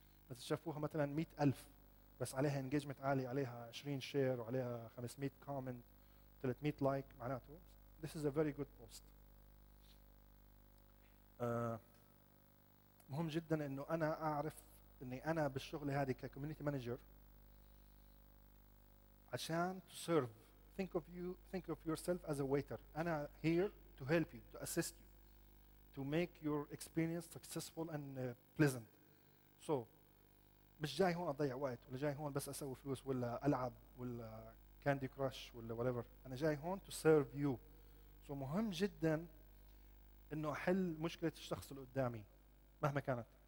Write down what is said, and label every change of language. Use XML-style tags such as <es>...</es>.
<ar>بس شافوها مثلا 100,000 بس عليها انجيجمنت عالي، عليها 20 شير وعليها 500 كومنت 300 لايك، معناته</ar> <en>this is a very good post.</en> <ar>مهم جدا انه انا اعرف اني انا بالشغل هذه ككوميونيتي مانجر عشان</ar> <en>to serve. think of yourself as a waiter.</en> <ar>انا</ar> <en>here to help you, to assist you, to make your experience successful and pleasant. So</en> <ar>مش جاي هون اضيع وقت ولا جاي هون بس اسوي فلوس ولا العب ولا كاندي كراش ولا</ar> <en>whatever.</en> <ar>انا جاي هون</ar> <en>to serve you. So</en> <ar>مهم جدا انه احل مشكله الشخص اللي قدامي، مهما كانت.</ar>